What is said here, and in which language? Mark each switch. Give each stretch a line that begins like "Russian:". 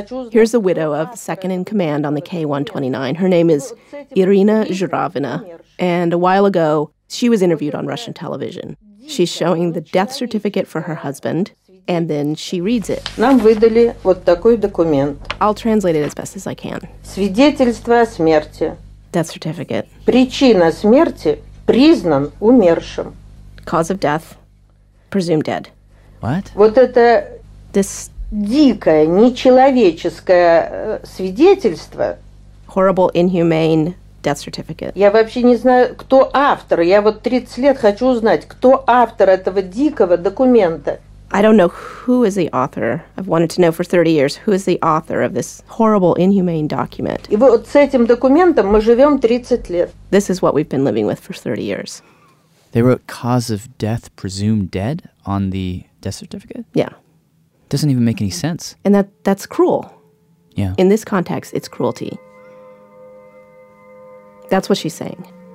English: Here's the widow of second in command on the K-129. Her name is Irina Zhuravina. And a while ago, she was interviewed on Russian television. She's showing the death certificate for her husband, and then she reads it.
Russian: Нам выдали вот такой документ.
English: I'll translate it as best as I can.
Russian: Свидетельство о смерти.
English: Death certificate.
Russian: Причина смерти признан умершим.
English: Cause of death, presumed dead. What?
Russian: Вот это дикое, нечеловеческое свидетельство.
English: Horrible, inhumane death certificate.
Russian: Я вообще не знаю, кто автор. Я вот 30 лет хочу узнать, кто автор этого дикого документа.
English: I don't know who is the author. I've wanted to know for 30 years who is the author of this horrible, inhumane document.
Russian: И вот с этим документом мы живем 30 лет.
English: This is what we've been living with for 30 years. They wrote cause of death presumed dead on the death certificate? Yeah. Doesn't even make any sense. And that's cruel. Yeah. In this context, it's cruelty. That's what she's saying.